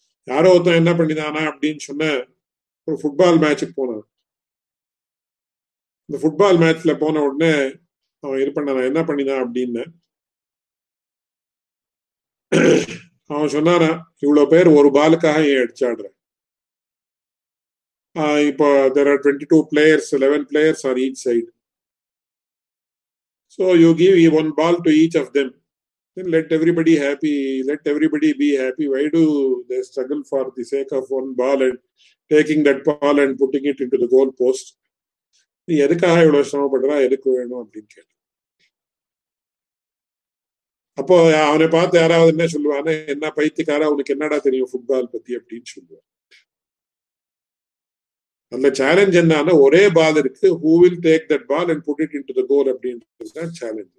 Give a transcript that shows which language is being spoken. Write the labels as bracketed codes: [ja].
[ta] யாரோ ஒருத்தன் என்ன பண்ணினானா அப்படின்னு சொன்ன, ஒரு ஃபுட்பால் மேட்சுக்கு போனான். இந்த ஃபுட்பால் மேட்ச்ல போன உடனே அவன் இது பண்ண என்ன பண்ணினான் அப்படின்னு அவன் சொன்னானா, இவ்வளவு பேர் ஒரு பாலுக்காக ஏன் அடிச்சாடுறேன். [en] இப்போ there are 22 players, 11 players are each side. So you give one ball to each of them, then let everybody happy, let everybody be happy. Why do they struggle for the sake of one ball and taking that ball and putting it into the goal post? [ta] நீ எதுக்காக இவ்வளவு சிரமப்படுறா, எதுக்கு வேணும் அப்படின்னு கேட்டு அப்போ அவனை பார்த்து யாராவது என்ன சொல்லுவானே, என்ன பைத்தியக்காரா உனக்கு என்னடா தெரியும் ஃபுட்பால் பத்தி அப்படின்னு சொல்லுவான். அந்த சேலஞ்ச் என்னன்னா ஒரே பால் இருக்கு, [en] who will take that ball and put it into the goal [ta] அப்படின்றதுதான் சேலஞ்ச்.